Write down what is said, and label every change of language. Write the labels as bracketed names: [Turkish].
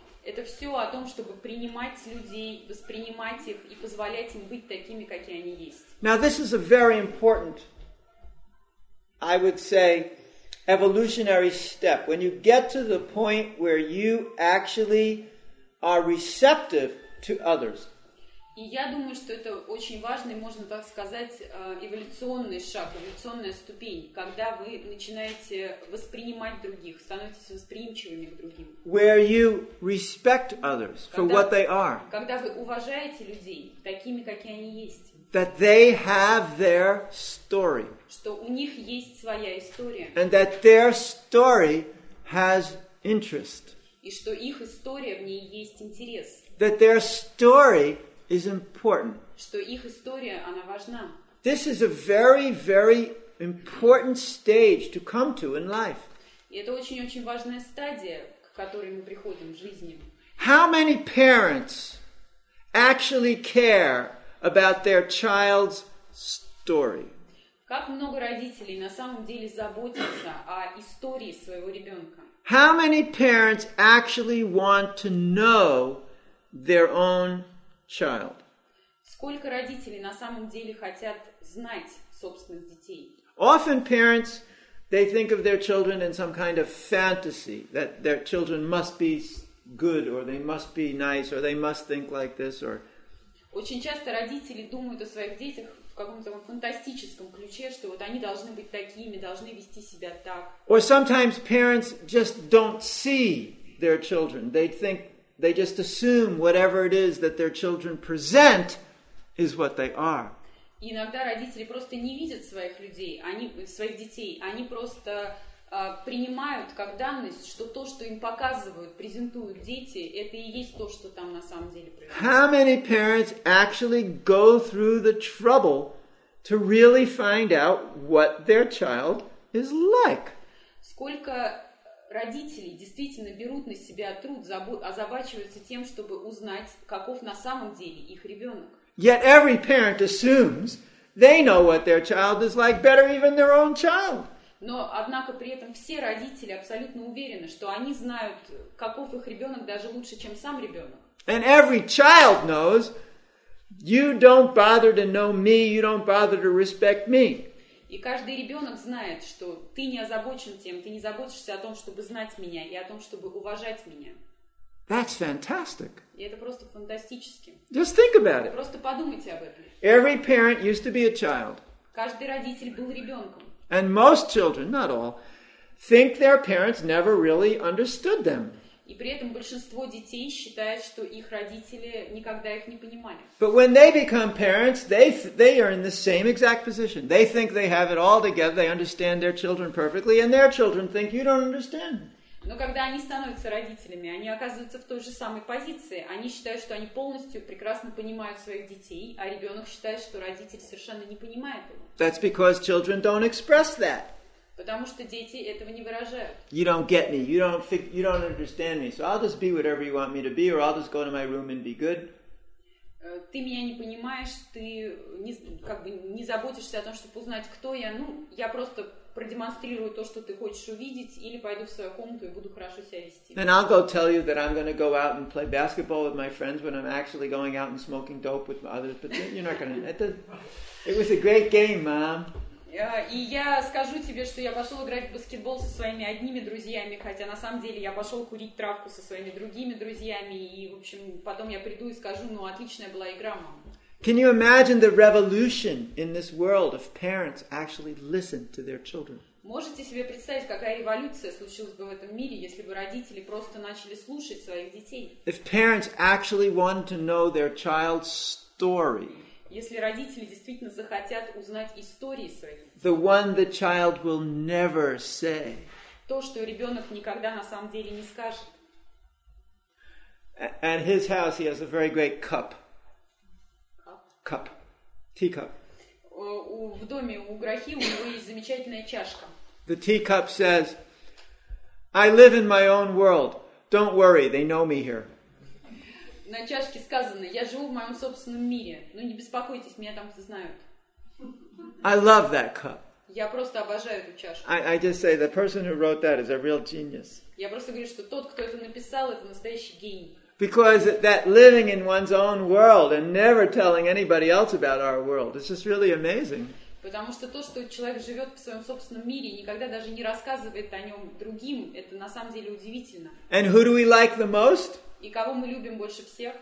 [Russian] Это все о том, чтобы принимать людей, воспринимать их и позволять им быть такими, какие они есть. [English] Now this is a very important, I would say, evolutionary step. When you get to the point where you actually are receptive to others. [Russian] И я думаю, что это очень важный, можно так сказать, эволюционный шаг, эволюционная ступень, когда вы начинаете воспринимать других, становитесь восприимчивыми к другим. [English] Where you respect others for what they are. [Russian] Когда вы уважаете людей такими, какие они есть. [English] That they have their story. [Russian] Что у них есть своя история. [English] And that their story has interest. [Russian] И что их история, в ней есть интерес. [English] That their story is important. [Russian] Что их история, она важна. [English] This is a very, very important stage to come to in life. [Russian] И это очень-очень важная стадия, к которой мы приходим в жизни. [English] How many parents actually care about their child's story? [Russian] Как много родителей на самом деле заботятся о истории своего ребенка? [English] How many parents actually want to know their own child? [Russian] Сколько родителей на самом деле хотят знать собственных детей? [English] Often parents, they think of their children in some kind of fantasy, that their children must be good, or they must be nice, or they must think like this, or... [Russian] Очень часто родители думают о своих детях в каком-то фантастическом ключе, что вот они должны быть такими, должны вести себя так. [English] Or sometimes parents just don't see their children. They think, they just assume whatever it is that their children present is what they are. [Russian] Иногда родители просто не видят своих людей, они, своих детей. Они просто принимают как данность, что то, что им показывают, презентуют дети, это и есть то, что там на самом деле происходит. [English] How many parents actually go through the trouble to really find out what their child is like? [Russian] Сколько родителей действительно берут на себя труд, озабачиваются тем, чтобы узнать, каков на самом деле их ребенок? [English] Yet every parent assumes they know what their child is like better even their own child. [Russian] Но, однако, при этом все родители абсолютно уверены, что они знают, каков их ребенок даже лучше, чем сам ребенок. [English] And every child knows, you don't bother to know me, you don't bother to respect me. [Russian] И каждый ребенок знает, что ты не озабочен тем, ты не заботишься о том, чтобы знать меня и о том, чтобы уважать меня. [English] That's fantastic. [Russian] И это просто фантастически. [English] Just think about it. [Russian] Просто подумайте об этом. [English] Every parent used to be a child. [Russian] Каждый родитель был ребенком. [English] And most children, not all, think their parents never really understood them. [Russian] И при этом большинство детей считает, что их родители никогда их не понимали. [English] But when they become parents, they are in the same exact position. They think they have it all together, they understand their children perfectly, and their children think you don't understand. [Russian] Но когда они становятся родителями, они оказываются в той же самой позиции. Они считают, что они полностью прекрасно понимают своих детей, а ребенок считает, что родитель совершенно не понимает его. [English] That's because children don't express that. [Russian] Потому что дети этого не выражают. [English] You don't get me. You don't understand me. So I'll just be whatever you want me to be, or I'll just go to my room and be good. [Russian] Ты меня не понимаешь. Ты не, как бы не заботишься о том, чтобы узнать, кто я. Ну, я просто продемонстрирую то, что ты хочешь увидеть, или пойду в свою комнату и буду хорошо себя вести. [English] Then I'll go tell you that I'm going to go out and play basketball with my friends when I'm actually going out and smoking dope with others. But you're not going to. It was a great game, Mom. [Russian] И я скажу тебе, что я пошел играть в баскетбол со своими одними друзьями, хотя на самом деле я пошел курить травку со своими другими друзьями, и, в общем, потом я приду и скажу, ну, отличная была игра, мама. [English] Can you imagine the revolution in this world if parents actually listened to their children? [Russian] Можете себе представить, какая революция случилась бы в этом мире, если бы родители просто начали слушать своих детей? [English] If parents actually wanted to know their child's story. [Russian] Если родители действительно захотят узнать истории своих детей, [English] the one the child will never say. [Russian] То, что ребенок никогда на самом деле не скажет. [English] At his house he has a very great cup. Cup. Teacup. [Russian] В доме у Грахи у него есть замечательная чашка. [English] The teacup says, I live in my own world. Don't worry, they know me here. [Russian] На чашке сказано, я живу в моем собственном мире. Ну, не беспокойтесь, меня там знают. [English] I love that cup. [Russian] Я просто обожаю эту чашку. [English] I just say, the person who wrote that is a real genius. [Russian] Я просто говорю, что тот, кто это написал, это настоящий гений. [English] Because that living in one's own world and never telling anybody else about our world, it's just really amazing. [Russian] Потому что то, что человек живет в своем собственном мире и никогда даже не рассказывает о нем другим, это на самом деле удивительно. [English] And who do we like the most? [Russian] И кого мы любим больше всех?